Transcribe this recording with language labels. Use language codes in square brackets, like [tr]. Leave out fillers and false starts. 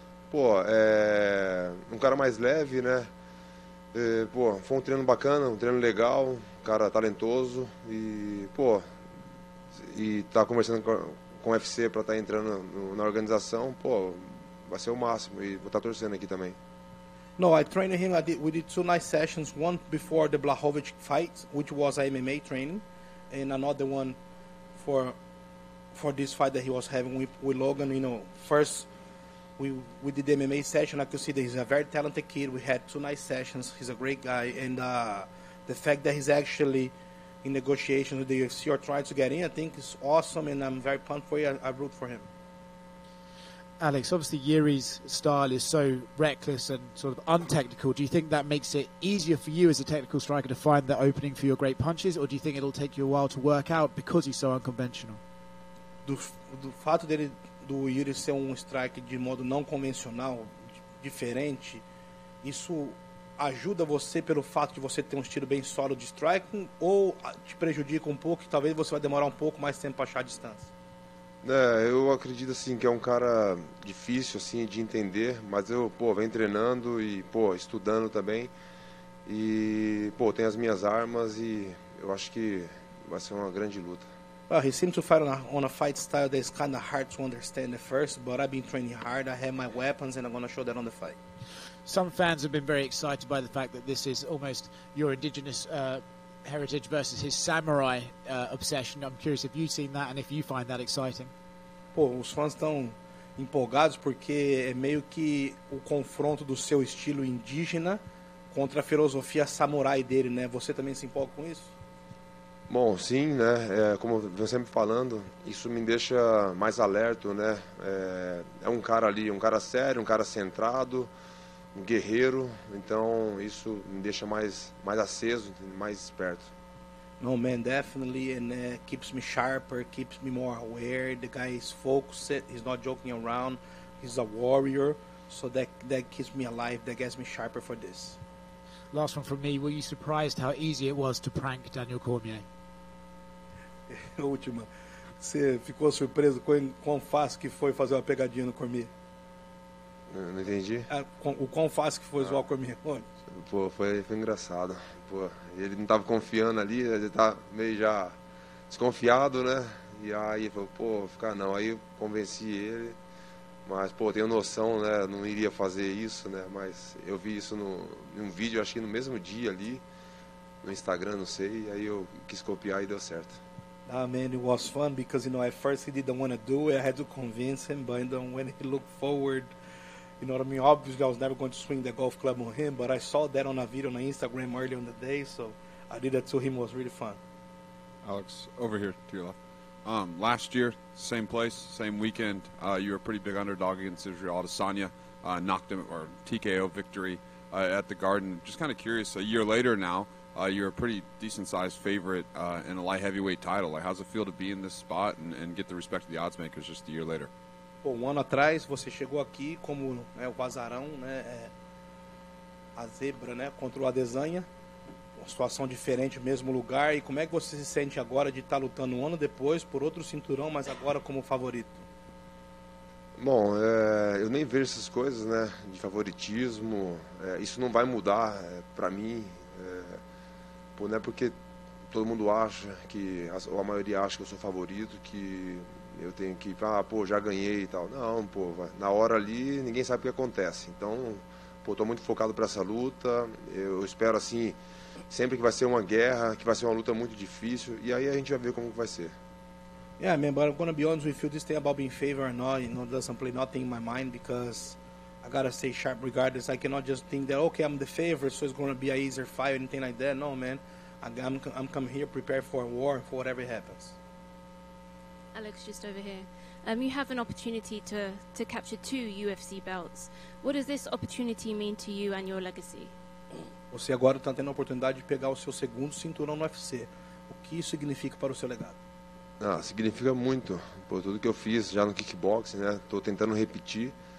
[pt] Pô, um cara mais leve, né? Foi um treino bacana, um treino legal, um cara talentoso. E tá conversando com o UFC pra estar entrando na organização, pô. Vai ser o máximo, e vou estar torcendo aqui também. [en] No, I trained him. We did two nice sessions. One before the Blachowicz fight, which was a MMA training, and another one for this fight that he was having with Logan. You know, first we did the MMA session. I could see that he's a very talented kid. We had two nice sessions. He's a great guy, and the fact that he's actually in negotiations with the UFC or trying to get in, I think is awesome, and I'm very pumped for you. I root for him. Alex, obviously Yuri's style is so reckless and sort of untechnical. Do you think that makes it easier for you as a technical striker to find the opening for your great punches, or do you think it'll take you a while to work out because he's so unconventional? [pt] Do fato dele, do Yuri ser strike de modo não convencional, diferente, isso ajuda você pelo fato de você ter estilo bem solo de striking, ou te prejudica pouco e talvez você vai demorar pouco mais tempo para achar a distância? Eu acredito assim que é um cara difícil assim de entender, mas eu, pô, venho treinando e, pô, estudando também, e, pô, tenho as minhas armas, e eu acho que vai ser uma grande luta. [en] Well, he seems to fight on a fight style that is kind of hard to understand at first, but I've been training hard, I have my weapons, and I'm going to show that on the fight. Some fans have been very excited by the fact that this is almost your indigenous heritage versus his samurai obsession. I'm curious if you've seen that and if you find that exciting. [pt] Pô, os fãs estão empolgados porque é meio que o confronto do seu estilo indígena contra a filosofia samurai dele, né? Você também se empolga com isso? Bom, sim, né? Como eu sempre falando, isso me deixa mais alerta, né? É um cara ali, um cara sério, um cara centrado, um guerreiro, então isso me deixa mais aceso, mais esperto. [en] No, man, definitely, and keeps me sharper, keeps me more aware. The guy is focused, he's not joking around, he's a warrior, so that keeps me alive, that gets me sharper for this. Last one from me, were you surprised how easy it was to prank Daniel Cormier? [pt] Última, você ficou surpreso com quão fácil que foi fazer uma pegadinha no Cormier? Não entendi. O quão fácil que foi zoar com a minha fonte? Pô, foi engraçado. Pô, ele não tava confiando ali, ele tá meio já desconfiado, né? E aí ele falou, pô, ficar não. Aí eu convenci ele, mas, pô, tenho noção, né? Não iria fazer isso, né? Mas eu vi isso em um vídeo, acho que no mesmo dia ali, no Instagram, não sei. E aí eu quis copiar e deu certo. [en] Ah, man, it was fun because, you know, at first he didn't want to do it. I had to convince him, but then when he looked forward, you know what I mean? Obviously, I was never going to swing the golf club on him, but I saw that on a video on Instagram earlier in the day, so I did that to him. It was really fun. Alex, over here to your left. Last year, same place, same weekend, you were a pretty big underdog against Israel Adesanya, knocked him, or TKO victory at the Garden. Just kind of curious, a year later now, you're a pretty decent-sized favorite in a light heavyweight title. Like, how's it feel to be in this spot and get the respect of the odds makers just a year later? [pt] Pô, um ano atrás, você chegou aqui como né, o azarão, né, a zebra, né, contra o Adesanya. Uma situação diferente, mesmo lugar. E como é que você se sente agora de estar lutando um ano depois por outro cinturão, mas agora como favorito? Bom, eu nem vejo essas coisas, né, de favoritismo. Isso não vai mudar para mim. Não é porque todo mundo acha, que ou a maioria acha que eu sou favorito, que eu tenho que falar, ah, pô, já ganhei e tal. Não, pô, na hora ali ninguém sabe o que acontece. Então, pô, estou muito focado para essa luta. Eu espero, assim, sempre que vai ser uma guerra, que vai ser uma luta muito difícil. E aí a gente vai ver como vai ser. [en] Yeah, man, but I'm going to be honest with you, this thing about being favored or not, you know, doesn't play nothing in my mind, because I gotta stay sharp regardless. I cannot just think that, okay, I'm the favorite, so it's going to be an easier fight or anything like that. No, man. I'm coming here prepared for a war, for whatever happens. Alex, just over here. You have an opportunity to capture two UFC belts. What does this opportunity mean to you and your legacy? [pt] Você agora está tendo a oportunidade de pegar o seu segundo cinturão no UFC. O que isso significa para o seu legado? Ah, significa muito. Por tudo que eu fiz já no kickboxing, né? Estou tentando repetir.